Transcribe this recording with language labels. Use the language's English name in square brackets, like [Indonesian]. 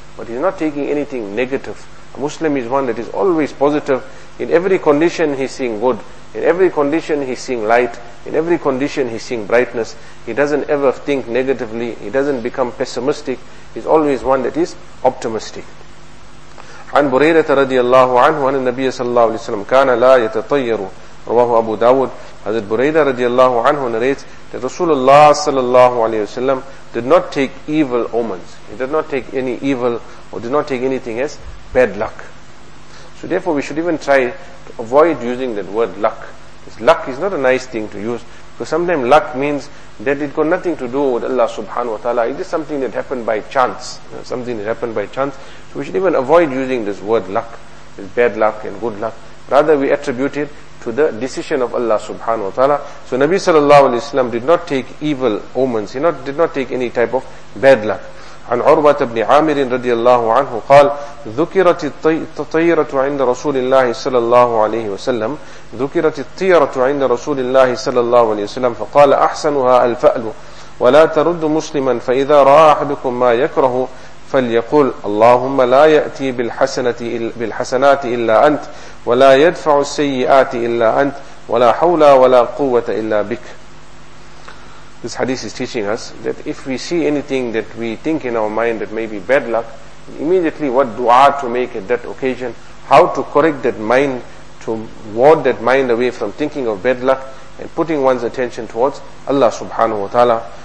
[English] But he's not taking anything negative. A Muslim is one that is always positive. In every condition he's seeing good. In every condition he's seeing light. In every condition he's seeing brightness. He doesn't ever think negatively. He doesn't become pessimistic. He's always one that is optimistic. [Arabic] عن بريرة رضي الله عنه عن النبي صلى الله عليه وسلم كان لا يتطير رواه أبو داود. [English] حضرت بريرة رضي الله عنه narrates that رسول الله صلى الله عليه وسلم did not take evil omens. He did not take any evil or did not take anything as bad luck. So therefore we should even try to avoid using that word luck. This luck is not a nice thing to use, because sometimes luck means that it got nothing to do with Allah subhanahu wa ta'ala. It is something that happened by chance. Something that happened by chance. So we should even avoid using this word luck, this bad luck and good luck. Rather we attribute it to the decision of Allah subhanahu wa ta'ala. So Nabi sallallahu alayhi wa sallam did not take evil omens. He did not take any type of bad luck. [Arabic] عن عروة بن عامر رضي الله عنه قال ذكرت الطيرة عند رسول الله صلى الله عليه وسلم ذكرت الطيرة عند رسول الله صلى الله عليه وسلم فقال أحسنها الفأل ولا ترد مسلما فإذا رأى أحدكم ما يكره فليقول اللهم لا يأتي بالحسنات إلا أنت ولا يدفع السيئات إلا أنت ولا حول ولا قوة إلا بك. [English] This hadith is teaching us that if we see anything that we think in our mind that may be bad luck, immediately what dua to make at that occasion, how to correct that mind, to ward that mind away from thinking of bad luck and putting one's attention towards Allah subhanahu wa ta'ala.